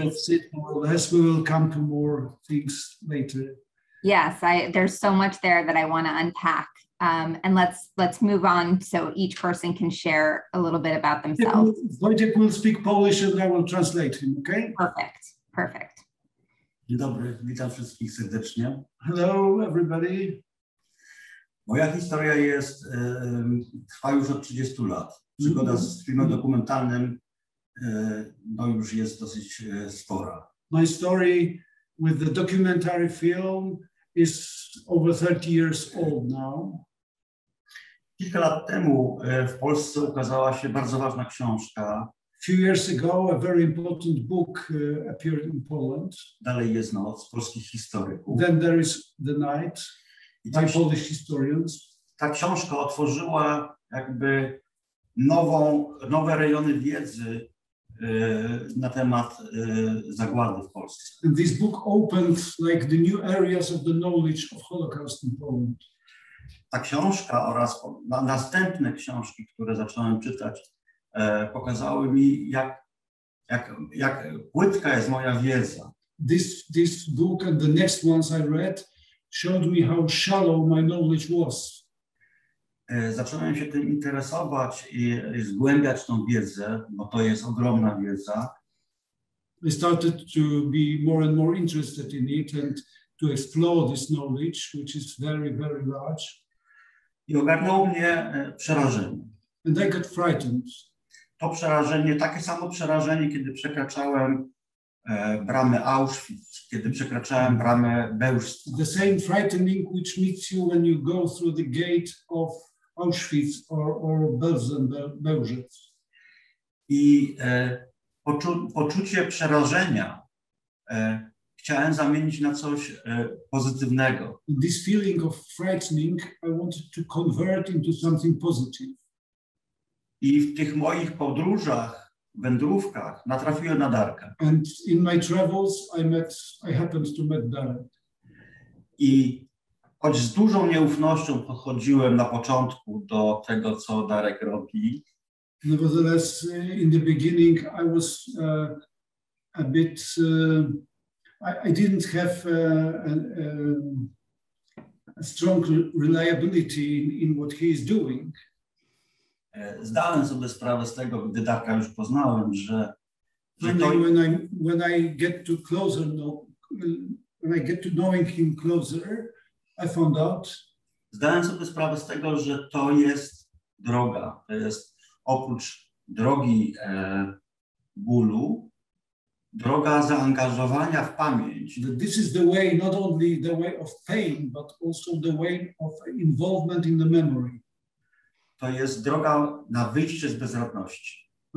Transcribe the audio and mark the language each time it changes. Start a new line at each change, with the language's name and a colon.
English: That's it, more or less. We will come to more things later. Yes, there's so much there that I want to unpack. And let's move on so each person can share a little bit about themselves. Wojciech will speak Polish and I will translate him, okay? Perfect.
Polish: Dzień dobry, witam wszystkich serdecznie.
English: Hello, everybody.
Polish: Moja historia jest, trwa już od 30 lat. Przygoda z filmem dokumentalnym no już jest dosyć spora.
English: My story with the documentary film is over 30 years old now.
Polish: Kilka lat temu w Polsce ukazała się bardzo ważna książka.
English: Few years ago, a very important book appeared in Poland.
Polish: Dalej jest noc, polskich historyków.
English: Then there is the night, by Polish historians.
Polish: Ta książka otworzyła jakby nowe rejony wiedzy na temat zagłady w Polsce.
English: And this book opened like the new areas of the knowledge of Holocaust in Poland.
Polish: Ta książka oraz następne książki, które zacząłem czytać, pokazały mi, jak płytka jest moja wiedza.
English: This book and the next ones I read showed me how shallow my knowledge was.
Polish: Zacząłem się tym interesować i zgłębiać tą wiedzę, bo to jest ogromna wiedza.
English: I started to be more and more interested in it and to explore this knowledge, which is very, very large.
Polish: I ogarnęło mnie przerażenie.
English: And I got frightened.
Polish: To przerażenie, takie samo przerażenie, kiedy przekraczałem bramę Auschwitz, kiedy przekraczałem bramę Bełżca.
English: The same frightening which meets you when you go through the gate of Auschwitz or Bełżec.
Polish: I poczucie przerażenia chciałem zamienić na coś pozytywnego.
English: This feeling of frightening I wanted to convert into something positive.
Polish: I w tych moich podróżach, wędrówkach, natrafiłem na Darka.
English: And in my travels I happened to meet Darek.
Polish: I choć z dużą nieufnością podchodziłem na początku do tego, co Darek robi.
English: Nevertheless, in the beginning I was a bit, I didn't have a strong reliability in what he is doing.
Polish: Zdałem sobie sprawę z tego, gdy Darka już poznałem, że zdałem sobie sprawę z tego, że to jest droga. To jest oprócz drogi bólu, droga zaangażowania w pamięć.
English: This is the way, not only the way of pain, but also the way of involvement in the memory.
Polish: To jest droga na wyjście z bezradności.